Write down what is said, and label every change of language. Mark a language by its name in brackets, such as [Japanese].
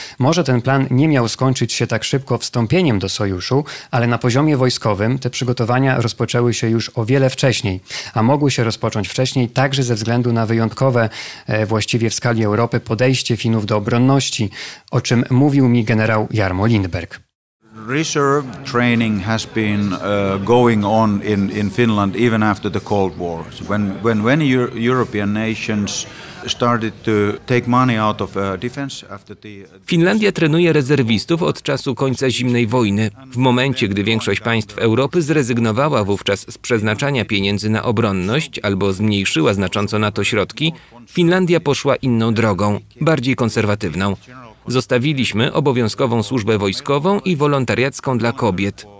[Polish] Może ten plan nie miał skończyć się tak szybko wstąpieniem do sojuszu, ale na poziomie wojskowym te przygotowania rozpoczęły się już o wiele wcześniej, a mogły się rozpocząć wcześniej, także ze względu na wyjątkowe właściwie w skali Europy podejście Finów do obronności, o czym mówił mi generał Jarmo Lindberg. [English] Reserve training has been going on in Finland even after the Cold War. When European nations started to take money out of defense after the [Polish] Finlandia trenuje rezerwistów od czasu końca zimnej wojny, w momencie gdy większość państw Europy zrezygnowała wówczas z przeznaczania pieniędzy na obronność albo zmniejszyła znacząco na to środki, Finlandia poszła inną drogą, bardziej konserwatywną. Zostawiliśmy obowiązkową służbę wojskową i wolontariacką dla kobiet.